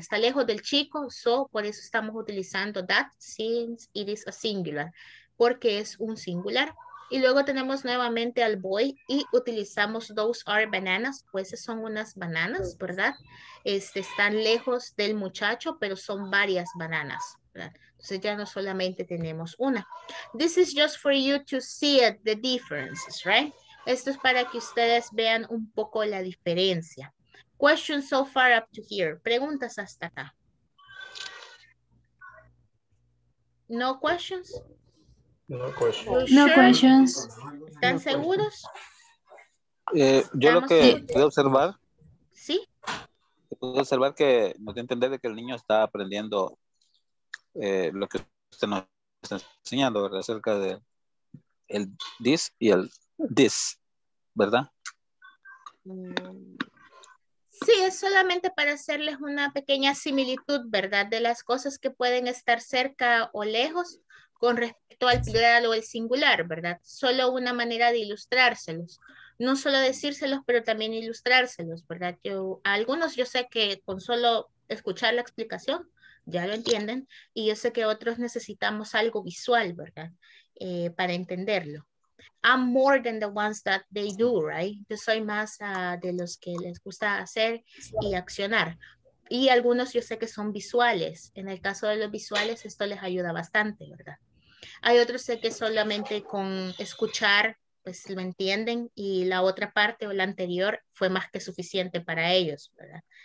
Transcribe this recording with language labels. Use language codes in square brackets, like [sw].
[es] Está lejos del chico, so por eso estamos utilizando [en] that since it is a singular, [es] porque es un singular. Y luego tenemos nuevamente al boy y utilizamos [en] those are bananas, [es] pues son unas bananas, ¿verdad? Están lejos del muchacho, pero son varias bananas, ¿verdad? Entonces ya no solamente tenemos una. [en] This is just for you to see it, the differences, right? [es] Esto es para que ustedes vean un poco la diferencia. [en] Question so far up to here. [es] Preguntas hasta acá. [en] No questions? No questions. No questions. [es] ¿Están seguros? Yo lo que puedo observar. Sí. Puedo observar que no tengo entender de que el niño está aprendiendo lo que usted nos está enseñando, ¿verdad? Acerca de el this y el this, ¿verdad? Sí, es solamente para hacerles una pequeña similitud, ¿verdad? De las cosas que pueden estar cerca o lejos. Con respecto al plural o el singular, ¿verdad? Solo una manera de ilustrárselos. No solo decírselos, pero también ilustrárselos, ¿verdad? Yo, a algunos yo sé que con solo escuchar la explicación ya lo entienden. Y yo sé que otros necesitamos algo visual, ¿verdad? Para entenderlo. [en] I'm more than the ones that they do, right? [es] Yo soy más de los que les gusta hacer y accionar. Y algunos yo sé que son visuales. En el caso de los visuales, esto les ayuda bastante, ¿verdad? Hay otros sé que solamente con escuchar, pues lo entienden. Y la otra parte o la anterior fue más que suficiente para ellos, ¿verdad?